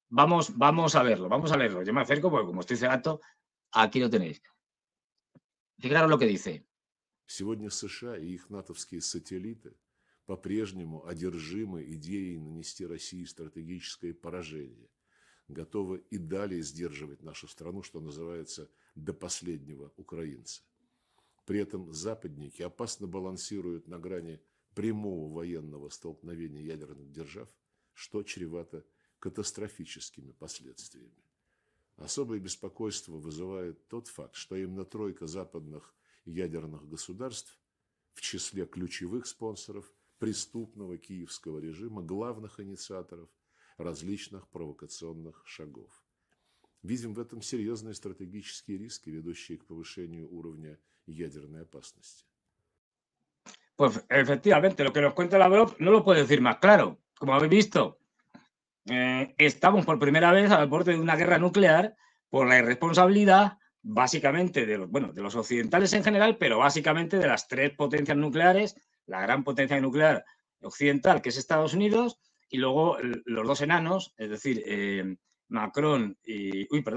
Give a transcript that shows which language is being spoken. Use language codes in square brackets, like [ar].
[es] Vamos a verlo. Yo me acerco porque como estoy cegato, aquí lo tenéis. Fijaros lo que dice. [ru] Сегодня США и их натовские сателлиты по-прежнему одержимы идеей нанести России стратегическое поражение, готовы и далее сдерживать нашу страну, что называется, до последнего украинца. При этом западники опасно балансируют на грани прямого военного столкновения ядерных держав, что чревато катастрофическими последствиями. Особое беспокойство вызывает тот факт, что именно тройка западных ядерных государств в числе ключевых спонсоров преступного киевского режима, главных инициаторов различных провокационных шагов. Видим в этом серьезные стратегические риски, ведущие к повышению уровня ядерной опасности. [es] Pues efectivamente, lo que nos cuenta Lavrov no lo puede decir más claro, como habéis visto. Estamos por primera vez al borde de una guerra nuclear por la irresponsabilidad básicamente de los occidentales en general, pero básicamente de las tres potencias nucleares, la gran potencia nuclear occidental que es Estados Unidos y luego los dos enanos, es decir, Macron y...